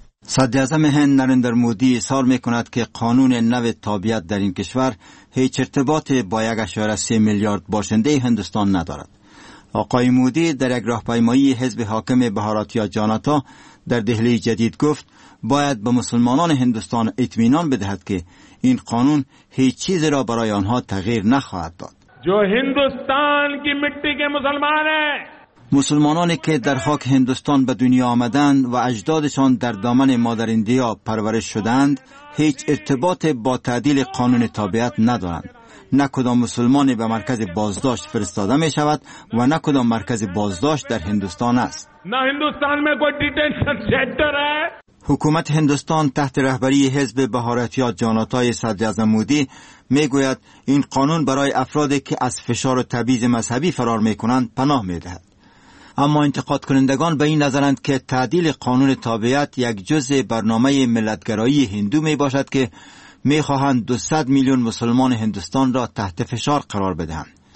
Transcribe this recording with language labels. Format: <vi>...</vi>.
<fa>صدر اعظم هند نریندر مودی اصرار میکند که قانون نو تابعیت در این کشور هیچ ارتباطی با 1.3 میلیارد باشنده هندوستان ندارد. آقای مودی در یک راهپیمایی حزب حاکم بهاراتیا جاناتا در دهلی جدید گفت باید به مسلمانان هندوستان اطمینان بدهد که این قانون هیچ چیز را برای آنها تغییر نخواهد داد.</fa> <ur>جو هندوستان کی مٹی کے مسلمان ہیں،</ur> <fa>مسلمانانی که در خاک هندوستان به دنیا آمدند و اجدادشان در دامن مادر ایندیا پرورش شدند، هیچ ارتباط با تعدیل قانون تابعیت ندارند. نه کدام مسلمانی به مرکز بازداشت فرستاده می شود و نه کدام مرکز بازداشت در هندوستان است.</fa> <ur>نه هندوستان میں کوئی ڈیٹینشن سینٹر ہے.</ur> <fa>حکومت هندوستان تحت رهبری حزب بهاراتیا جاناتای صدر اعظم مودی می گوید این قانون برای افرادی که از فشار و تبعیض مذهبی فرار می کنند پناه می دهد. اما انتقاد کنندگان به این نظرند که تعدیل قانون تابعیت یک جزء برنامه ملتگرایی هندو می باشد که می خواهند 200 میلیون مسلمان هندوستان را تحت فشار قرار بدهند.</fa>